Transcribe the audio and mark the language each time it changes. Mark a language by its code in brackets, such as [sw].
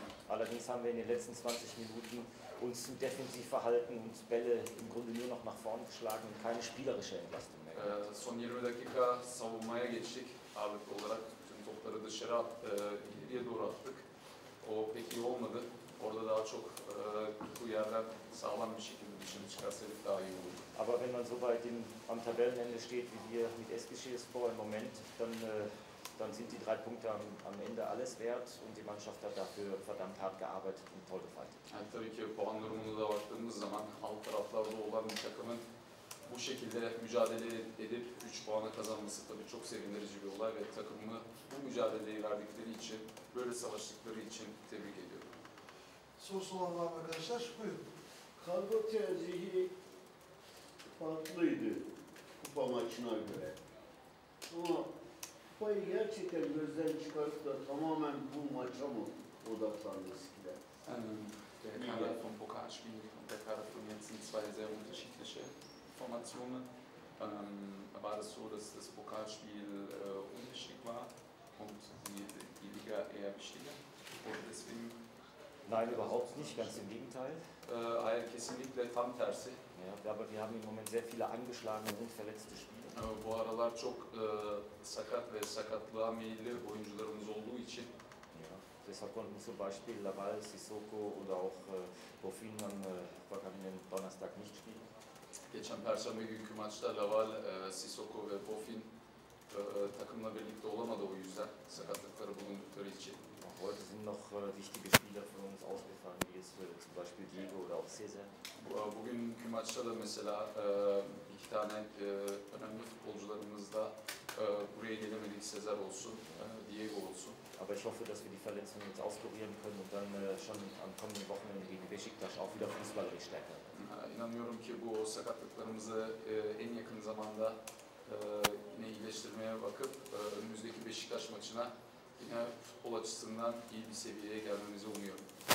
[de] Allerdings haben wir in den letzten 20 Minuten uns zu defensiv verhalten und Bälle im Grunde nur noch nach vorne geschlagen und keine spielerische Entlastung mehr. [tr] Son 20 dakika savunmaya geçtik ağırlıklı olarak. Tüm topları dışarı ileriye doğru attık. O pek iyi olmadı. Orada daha çok bu yerden sağlam bir şekilde dışarı çıkarsaydık daha iyi olurdu. [de] Aber wenn man so weit am Tabellenende steht wie wir mit Eskişehir Spor im Moment, dann sind die drei Punkte am Ende alles wert und die Mannschaft hat dafür verdammt hart gearbeitet und toll gefeitet. [tr] Yani tabii ki puan durumuna da baktığımız zaman alt taraflarda olan bir takımın bu şekilde mücadele edip 3 puanı kazanması tabii çok sevindirici bir olay ve takımını bu mücadeleyi verdikleri için, böyle savaştıkları için tebrik ediyorum. Sorusu olan var mı arkadaşlar? Buyurun. Kadro tercihi farklıydı kupa maçına göre. Ama kupayı gerçekten gözden çıkartıp da tamamen bu maça mı odaklandı Skiller? [de] Der Kader vom Pokalspiel und der Kader von jetzt sind zwei sehr unterschiedliche Formationen. War es so, dass das Pokalspiel unwichtig war und die Liga eher wichtiger? Oder deswegen? Nein, überhaupt nicht, ganz im Gegenteil. [tr] Kesinlikle tam tersi. [de] Ja, aber wir haben im Moment sehr viele angeschlagene und verletzte Spieler. [tr] Bu aralar çok sakat ve sakatlığa meyilli oyuncularımız olduğu için. [de] Ja, deshalb konnten zum Beispiel Laval, Sissoko oder auch Bofinman vergangenen Donnerstag nicht spielen. [tr] Geçen Perşembe günkü maçta Laval, Sissoko ve Bofin takımla birlikte olamadı, o yüzden sakatlıkları bulundukları için. [de] Heute sind noch wichtige Spieler für uns ausgefallen, wie es zum Beispiel Diego oder auch Cesar. [tr] Bugünkü maçta da mesela iki tane önemli futbolcularımız da buraya gelemedik, Cesar olsun, Diego olsun. [de] Aber ich hoffe, dass wir die Verletzungen jetzt auskurieren können und dann schon am kommenden Wochenende gegen Beşiktaş auch wieder fußballerisch stärker. [tr] İnanıyorum ki bu sakatlıklarımızı en yakın zamanda yine iyileştirmeye bakıp önümüzdeki Beşiktaş maçına yine futbol açısından iyi bir seviyeye gelmemizi umuyorum.